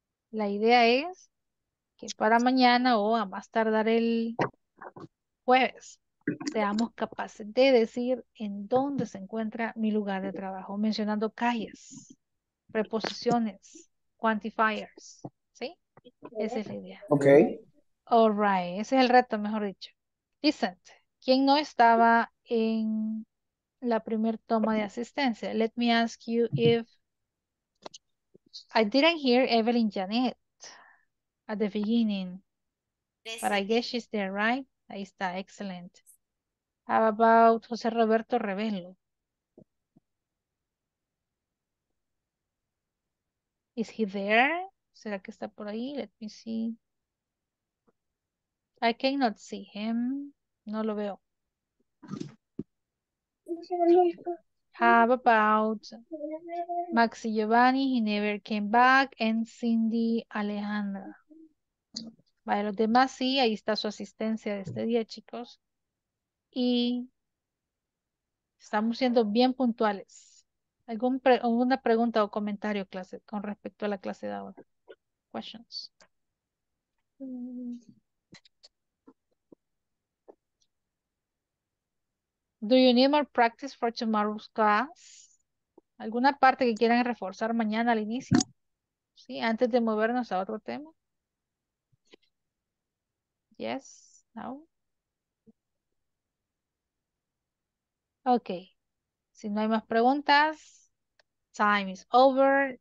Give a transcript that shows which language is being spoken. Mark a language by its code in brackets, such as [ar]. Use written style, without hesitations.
[es] La idea es que para mañana o a más tardar el jueves seamos capaces de decir en dónde se encuentra mi lugar de trabajo, mencionando calles, preposiciones, quantifiers, ¿sí? Esa es la idea. Ok. [en] All right, [es] ese es el reto, mejor dicho. Listen, ¿quién no estaba en la primer toma de asistencia? [en] Let me ask you if I didn't hear Evelyn Janet at the beginning, but I guess she's there, right? [es] Ahí está, [en] excellent. How about José Roberto Revelo? Is he there? [es] ¿Será que está por ahí? [en] Let me see. I cannot see him. [es] No lo veo. [en] How about Maxi Giovanni? He never came back. And Cindy Alejandra. [es] Vale, los demás sí. Ahí está su asistencia de este día, chicos. Y estamos siendo bien puntuales. ¿Alguna pregunta o comentario, clase, con respecto a la clase de ahora? [en] Questions. Do you need more practice for tomorrow's class? [es] ¿Alguna parte que quieran reforzar mañana al inicio? ¿Sí? Antes de movernos a otro tema. [en] Yes, no. Okay. [es] Si no hay más preguntas, [en] time is over.